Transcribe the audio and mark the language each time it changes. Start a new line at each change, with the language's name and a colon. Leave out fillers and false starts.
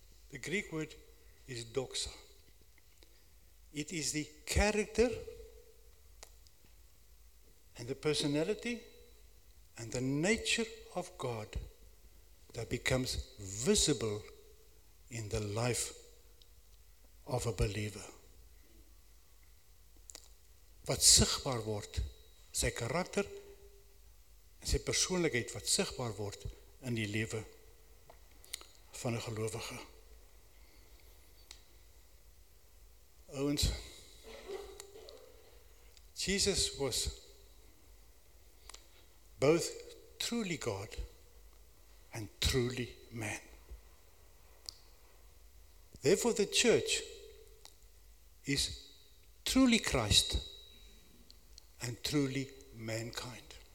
English: The Greek word is doxa. It is the character and the personality and the nature of God that becomes visible in the life of a believer.
Afrikaans: Wat sigbaar word, sy karakter en sy persoonlikheid wat sigbaar word in die lewe van 'n gelowige.
English: Owens, Jesus was both truly God and truly man. Therefore, the church is truly Christ and truly mankind.